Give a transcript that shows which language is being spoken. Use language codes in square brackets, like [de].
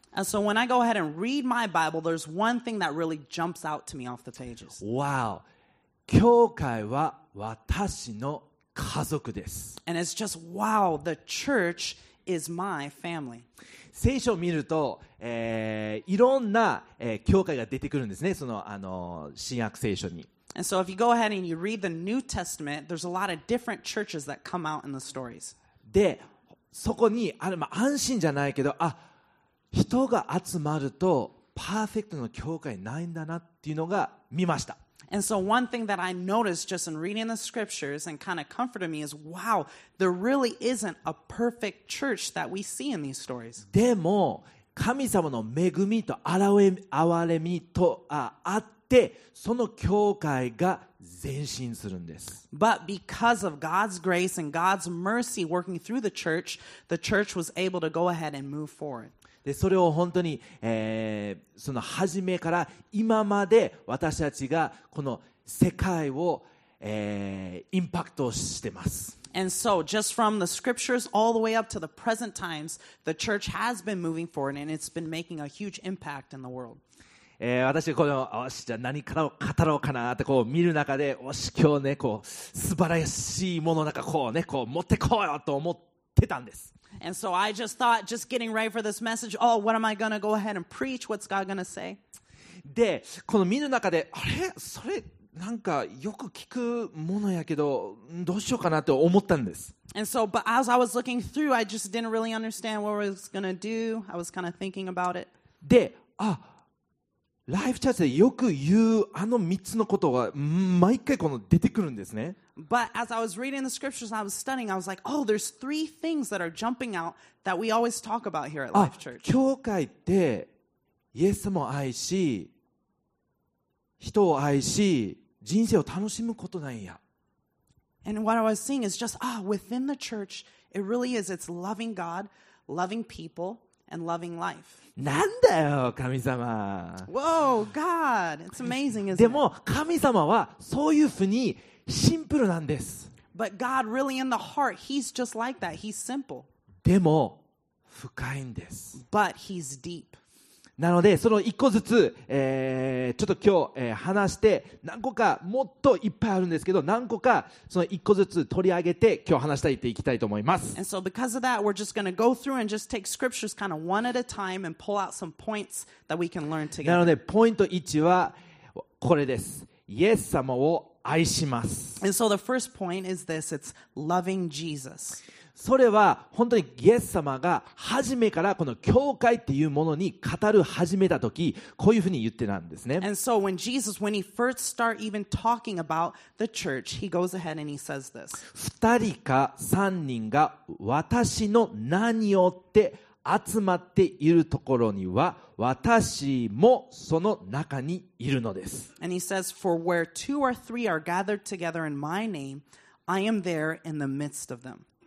[en] And so when I go ahead and read my Bible, there's one thing that really jumps out to me off the pages. [ja] Wow. 教会は私の家族です。 [en] And it's just, wow, the church is my family. [ja] 聖書を見ると、いろんな、教会が出てくるんですね。その、新約聖書に。 [en] And so if you go ahead and you read the New Testament, there's a lot of different churches that come out in the stories. [ja] で、そこに、あれ、まあ、安心じゃないけど、あ、人が集まるとパーフェクトの教会ないんだなっていうのが見ました。 [en] And so one thing that I noticed just in reading the scriptures and kind of comforted me is, wow, there really isn't a perfect church that we see in these stories. [ja] でも、神様の恵みと憐れみと、あって、で、その教会が前進するんです。 [en] But because of God's grace and God's mercy working through the church was able to go ahead and move forward. [ja] で、それを本当に、その初めから今まで私たちがこの世界を、インパクトしてます。 [en] And so, just from the scriptures all the way up to the present times, the church has been moving forward and it's been making a huge impact in the world. [ja] 私このおしじゃ何から語ろうかなってこう見る中で、おし今日ねこう素晴らしいものなんかこうねこう持ってこようと思ってたんです。 [en] And so I just thought, just getting ready for this message. Oh, what am I gonna go ahead and preach? What's God gonna say? [ja] で、この見る中で、あれそれなんかよく聞くものやけどどうしようかなって思ったんです。 [en] And so, but as I was looking through, I just didn't really understand what I was gonna do. I was kind of thinking about it. [ja] で、あ、ライフチャージでよく言うあの3つのことが毎回この出てくるんですね。 [en] But as I was reading the scriptures, I was studying. I was like, oh, there's three things that are jumping out that we always talk about here at Life Church. [ja] 教会ってイエスも愛し、人を愛し、人生を楽しむことなんや。 [en] And what I was seeing is just, ah, within the church, it really is. It's loving God, loving people, and loving life. [ja] なんだよ、神様。 [en] Whoa, God, it's amazing, isn't it? [ja] でも神様はそういうふうにシンプルなんです。 [en] But God, really in the heart, He's just like that. He's simple. [ja] でも深いんです。 [en] But He's deep. [ja] なのでその一個ずつ、ちょっと今日、話して何個かもっといっぱいあるんですけど何個かその一個ずつ取り上げて今日話したいっていきたいと思います。 [en] And so because of that we're just going to go through and just take scriptures kind of one at a time and pull out some points that we can learn together. [ja] なのでポイント1はこれです。イエス様を愛します。 [en] And so the first point is this. It's loving Jesus. [ja] それは本当にイエス様が初めからこの教会っていうものに語る始めた時こういうふうに言ってたんですね。 [en] And so when Jesus, when he first start even talking about the church, he goes ahead and he says this. [ja] 二人か三人が私の名によって集まっているところには私もその中にいるのです。 [en] And he says, for where two or three are gathered together in my name, I am there in the midst of them.